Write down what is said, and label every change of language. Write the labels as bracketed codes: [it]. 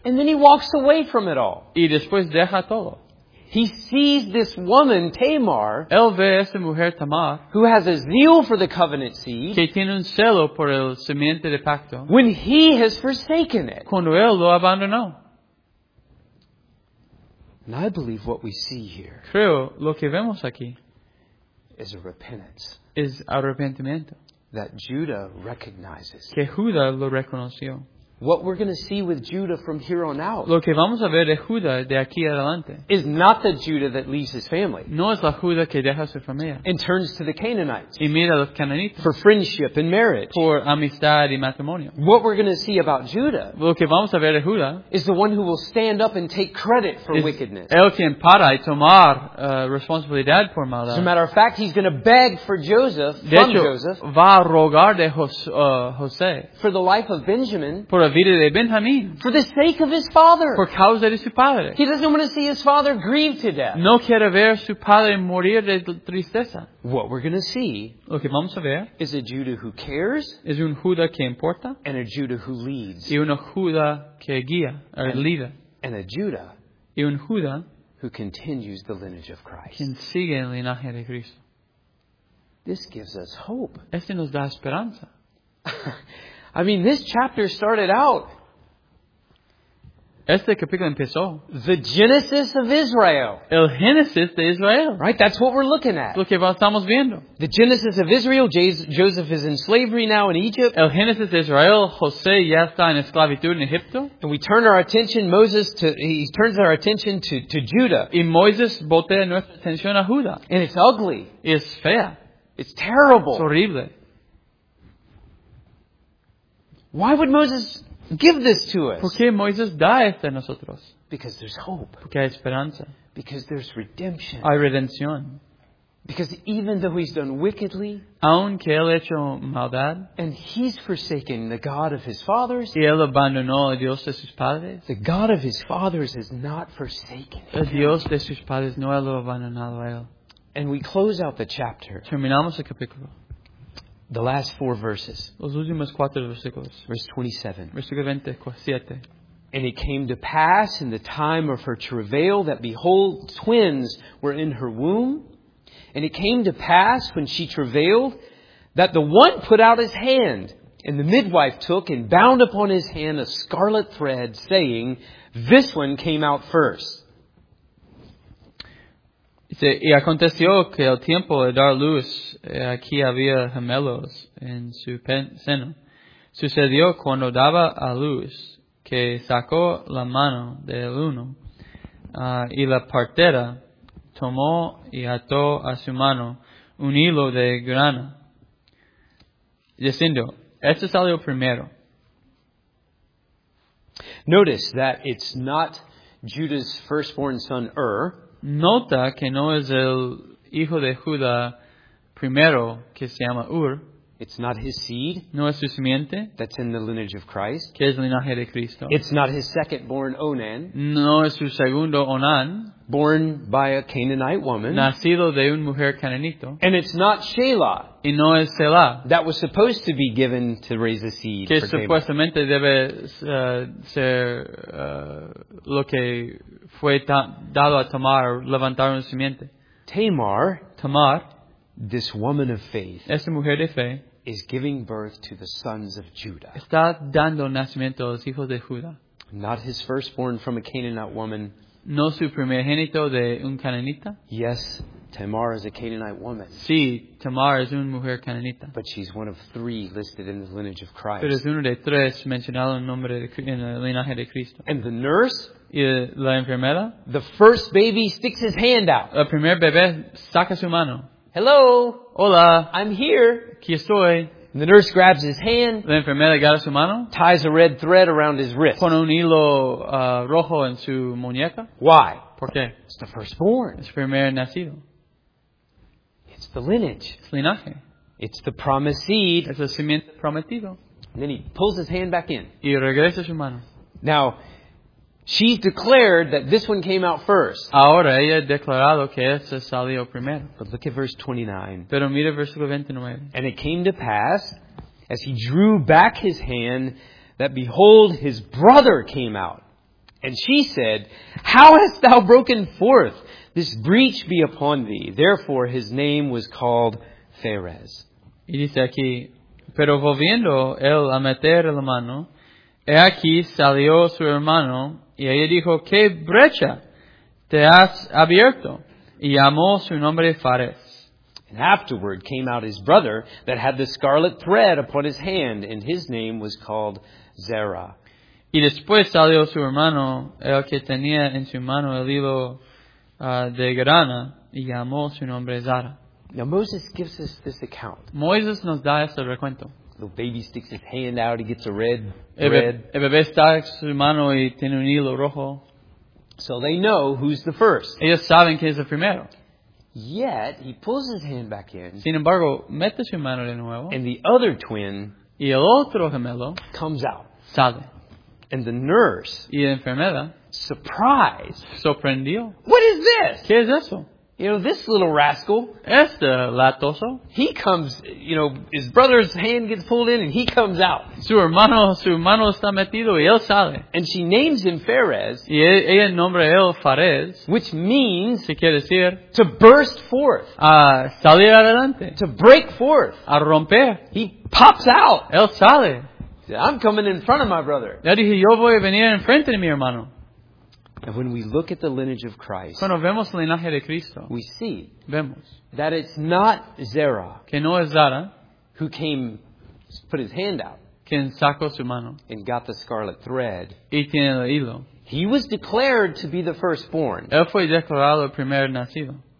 [en] And then he walks away from it all. [es] Y después deja todo. [en] He sees this woman, Tamar, [es] él ve esa mujer, Tamar, [en] who has a zeal for the covenant seed, [es] que tiene un celo por el simiente de pacto, [en] when he has forsaken it. [es] Cuando él lo abandonó. [en] And I believe what we see here, [es] creo lo que vemos aquí, [en] is a repentance, [es] es arrepentimiento, [en] that Judah recognizes, [es] que Judá lo reconoció. [en] What we're going to see with Judah from here on out, [es] lo que vamos a ver de Judá de aquí adelante, [en] is not the Judah that leaves his family, [es] no es la Judá que deja su familia, [en] and turns to the Canaanites, [es] y mira a los cananitos, [en] for friendship and marriage, [es] por amistad y matrimonio. [en] What we're going to see about Judah, [es] lo que vamos a ver de Judá, [en] is the one who will stand up and take credit for wickedness. [es] El quien para y tomar responsabilidad por maldad. [en] As a matter of fact, he's going to beg for Joseph, [es] de hecho, [en] from Joseph, [es] va a rogar de José, [en] for the life of Benjamin, [es] por la vida de Benjamín. [en] For the sake of his father. [es] Por causa de su padre. [en] He doesn't want to see his father grieve to death. [es] No quiere ver su padre morir de tristeza. [en] What we're going to see, [es] lo que vamos a ver, [en] is a Judah who cares, [es] es un Judah que importa, [en] and a Judah who leads, [es] y un Judah que guía, [en] or [es] lider, [en] and a Judah, [es] y un Judah [en] who continues the lineage of Christ, [es] quien sigue el linaje de Cristo. [en] This gives us hope. [es] Este nos da esperanza. [en] I mean, this chapter started out. [es] Este capítulo empezó. [en] The Genesis of Israel. [es] El Génesis de Israel. [en] Right, that's what we're looking at. [es] Lo que estamos viendo. [en] The Genesis of Israel. Joseph is in slavery now in Egypt. [es] El Génesis de Israel. José ya está en esclavitud en Egipto. [en] And we turn our attention, He turns our attention to Judah. [es] Y Moisés voltea nuestra atención a Judá. [en] And it's ugly. [es] Es fea. [en] It's terrible. [es] Es horrible. [en] Why would Moses give this to us? [es] ¿Por qué Moisés da esto a nosotros? [en] Because there's hope. [es] Porque hay esperanza. [en] Because there's redemption. [es] Hay redención. [en] Because even though he's done wickedly, [es] aunque él hecho maldad, [en] and he's forsaken the God of his fathers, [es] y él abandonó a Dios de sus padres, [en] the God of his fathers has not forsaken him. [es] El Dios de sus padres no lo ha abandonado a él. [en] And we close out the chapter. [es] Terminamos el capítulo. [en] The last four verses. [es] Los últimos cuatro versículos. [en] Verse 27. [es] Versículo 27. [en] And it came to pass in the time of her travail that, behold, twins were in her womb. And it came to pass when she travailed that the one put out his hand, and the midwife took and bound upon his hand a scarlet thread, saying, this one came out first. [es] Y aconteció que al tiempo de dar luz, aquí había gemelos en su seno. Sucedió cuando daba a luz, que sacó la mano del uno, y la partera tomó y ató a su mano un hilo de grana, diciendo, este salió primero. [en] Notice that it's not Judah's firstborn son, [es] Nota que no es el hijo de Judá primero, que se llama Ur. [en] It's not his seed. [es] No es su simiente. [en] That's in the lineage of Christ. [es] Que es el linaje de Cristo. [en] It's not his second born Onan. [es] No es su segundo Onan. [en] Born by a Canaanite woman. [es] Nacido de una mujer cananito. [en] And it's not Shelah. [es] Y no es Shelah. [en] That was supposed to be given to raise a seed. [es] Que [en] for [es] supuestamente Debe ser lo que fue dado a Tamar, levantar un simiente. [en] Tamar. This woman of faith, [es] esta mujer de fe, [en] is giving birth to the sons of Judah. [es] Está dando nacimiento a los hijos de Judá. [en] Not his firstborn from a Canaanite woman. [es] No su primogénito de un cananita. [en] Yes, Tamar is a Canaanite woman. [es] Sí, Tamar es una mujer cananita. [en] But she's one of three listed in the lineage of Christ. [es] Pero es uno de tres mencionado en nombre de, en el linaje de Cristo. [en] And the nurse. [es] Y la enfermera. [en] The first baby sticks his hand out. [es] El primer bebé saca su mano. [en] Hello. [es] Hola. [en] I'm here. [es] Aquí estoy. [en] And the nurse grabs his hand. [es] La enfermera agarra su mano. [en] Ties a red thread around his wrist. [es] Pone un hilo rojo en su muñeca. [en] Why? [es] ¿Por qué? [en] It's the firstborn. [es] Es primer nacido. [en] It's the lineage. [es] Es linaje. [en] It's the promised seed. [es] Es el simiente prometido. [en] And then he pulls his hand back in. [es] Y regresa su mano. [en] Now, she's declared that this one came out first. [es] Ahora ella ha declarado que ese salió primero. [en] But look at verse 29. [es] Pero mira versículo 29. [en] And it came to pass, as he drew back his hand, that behold, his brother came out. And she said, how hast thou broken forth? This breach be upon thee. Therefore his name was called Phares. [es] Y dice aquí, pero volviendo él a meter la mano, he aquí salió su hermano, y ella dijo, ¿qué brecha te has abierto? Y llamó su nombre Phares. [en] And afterward came out his brother that had the scarlet thread upon his hand, and his name was called Zerah. [es] Y después salió su hermano, el que tenía en su mano el hilo de grana, y llamó su nombre Zara. [en] Now Moses gives us this account. [es] Moisés nos da este recuento. [en] The baby sticks his hand out, he gets a red [es] El bebé está en su mano y tiene un hilo rojo. [en] So they know who's the first. [es] Ellos saben quién es el primero. [en] Yet, he pulls his hand back in. [es] Sin embargo, mete su mano de nuevo. [en] And the other twin. [es] Y el otro gemelo. [en] Comes out. [es] Sale. [en] And the nurse. [es] Y la enfermera. [en] Surprised. [es] Sorprendió. [en] What is this? [es] ¿Qué es eso? [en] You know, this little rascal. [es] Este latoso. [en] He comes, you know, his brother's hand gets pulled in and he comes out. [es] Su hermano está metido y él sale. [en] And she names him Phares. [es] Y ella nombra él Phares. [en] Which means, [es] si quiere decir, [en] to burst forth. [es] A salir adelante. [en] To break forth. [es] A romper. [en] He pops out. [es] Él sale. [en] I'm coming in front of my brother. [es] Ya dije, yo voy a venir en frente de mi hermano. [en] And when we look at the lineage of Christ, [es] cuando vemos el linaje de Cristo, [en] we see [es] vemos [en] that it's not Zerah, [es] que no es Zara, [en] who came, put his hand out, [es] quien sacó su mano, [en] and got the scarlet thread. [es] Y tiene el hilo. [en] He was declared to be the firstborn. [es] Él fue declarado el primer nacido.